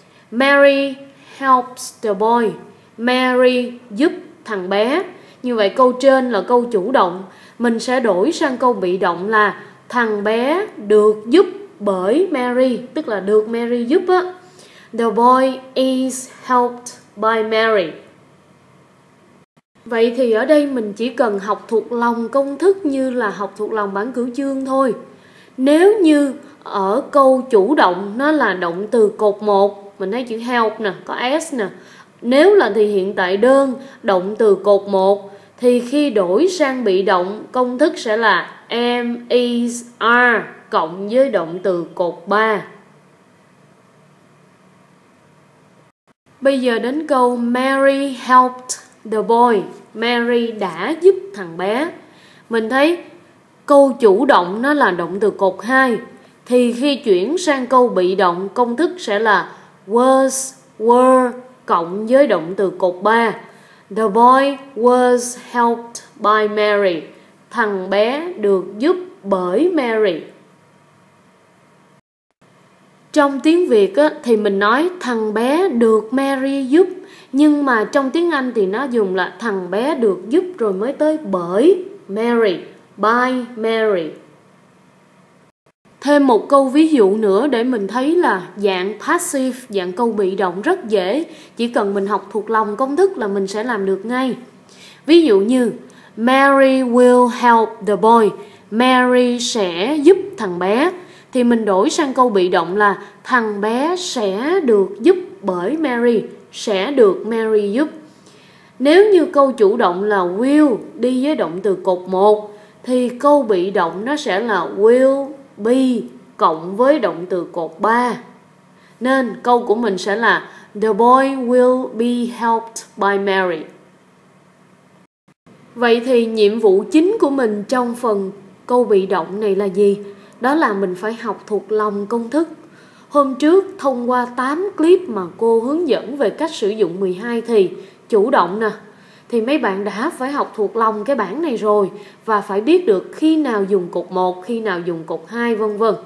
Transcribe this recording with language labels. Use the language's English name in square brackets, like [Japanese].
[English] Mary helps the boy. [Vietnamese] Mary giúp thằng bé. Như vậy câu trên là câu chủ động. Mình sẽ đổi sang câu bị động là thằng bé được giúp bởi Mary, tức là được Mary giúp á. [English] The boy is helped by Mary. [Vietnamese] Vậy thì ở đây mình chỉ cần học thuộc lòng công thức như là học thuộc lòng bản cửu chương thôi. Nếu như ở câu chủ động nó là động từ cột 1, mình thấy chữ help nè, có S nè. Nếu là thì hiện tại đơn, động từ cột 1, thì khi đổi sang bị động, công thức sẽ là am, is, are cộng với động từ cột 3. Bây giờ đến câu [English] Mary helped the boy. [Vietnamese] Mary đã giúp thằng bé. Mình thấy câu chủ động nó là động từ cột 2, thì khi chuyển sang câu bị động, công thức sẽ là was, were cộng với động từ cột 3. [English] The boy was helped by Mary. [Vietnamese] Thằng bé được giúp bởi Mary. Trong tiếng Việt á, thì mình nói thằng bé được Mary giúp. Nhưng mà trong tiếng Anh thì nó dùng là thằng bé được giúp rồi mới tới bởi Mary, by Mary. Thêm một câu ví dụ nữa để mình thấy là dạng passive, dạng câu bị động rất dễ. Chỉ cần mình học thuộc lòng công thức là mình sẽ làm được ngay. Ví dụ như [English] Mary will help the boy. [Vietnamese] Mary sẽ giúp thằng bé. Thì mình đổi sang câu bị động là thằng bé sẽ được giúp bởi Mary. Sẽ được Mary giúp. Nếu như câu chủ động là will đi với động từ cột 1, thì câu bị động nó sẽ là will be cộng với động từ cột 3. Nên câu của mình sẽ là [English] The boy will be helped by Mary. [Vietnamese] Vậy thì nhiệm vụ chính của mình trong phần câu bị động này là gì? Đó là mình phải học thuộc lòng công thức. Hôm trước, thông qua 8 clip mà cô hướng dẫn về cách sử dụng 12 thì chủ động nè, thì mấy bạn đã phải học thuộc lòng cái bảng này rồi và phải biết được khi nào dùng cột 1, khi nào dùng cột 2, v.v.